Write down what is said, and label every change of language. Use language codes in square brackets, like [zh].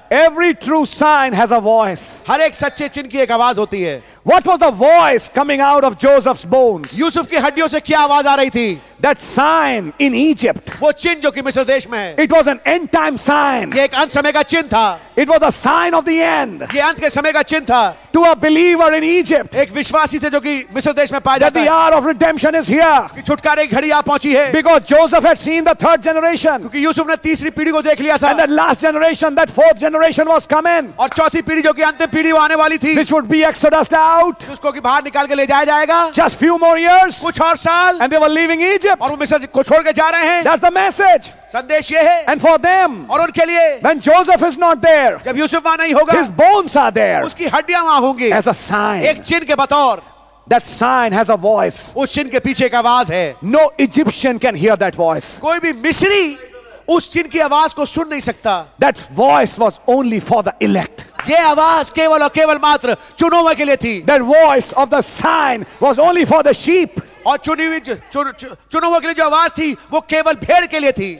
[en] Every true sign has a voice. [hi] हर एक सच्चे चिन्ह की एक आवाज होती है. [en] What was the voice coming out of Joseph's bones? [hi] Yusuf की हड्डियों से क्या आवाज आ रही थी? [en] That sign in Egypt. [hi] वो चिन्ह जो कि मिस्र देश में है. [en] It was an end time sign. [hi] ये एक अंत समय का चिन्ह था. [en] It was a sign of the end. [hi] ये अंत के समय का चिन्ह था. [en] To a believer in Egypt. [hi] एक विश्वासी से जो कि मिस्र देश में पाया जाता है. [en] That the hour of redemption is here. [hi] छुटकारे की घड़ी आ पहुंची है. [en] Because Joseph had seen the third generation. [hi] क्योंकि यूसुफ ने तीसरी पीढ़ी को देख लिया था. [en] And the last generation, that fourth generation was coming. [hi] और चौथी पीढ़ी जो कि अंतिम पीढ़ी आने वाली थी. [en] Which would be exodus out. [hi] उसको कि बाहर निकाल के ले जाया जाएगा. [en] Just few more years. [hi] कुछ और साल. [en] And they were leaving Egypt. [hi] और वो मिस्र को छोड़ के जा रहे हैं. [en] That's the message. [hi] संदेश ये है. [en] And for them. [hi] और उनके लिए. [en] When Joseph is not there. [hi] जब यूसुफ वहां नहीं होगा. [en] His bones are there. [hi] उसकी हड्डियां वहां होंगी. [en] As a sign. [hi] एक चिन्ह के बतौर. [en] That sign has a voice. [hi] उस चिन्ह के पीछे एक आवाज है. [en] No Egyptian can hear that voice. [hi] कोई भी मिस्री उस चिन्ह की आवाज को सुन नहीं सकता. [en] That voice was only for the elect. [hi] ये आवाज केवल और केवल मात्र चुने हुए के लिए थी. [en] That voice of the sign was only for the sheep. [hi] और चुनी हुई चुने हुए के लिए जो आवाज थी वो केवल भेड़ के लिए थी.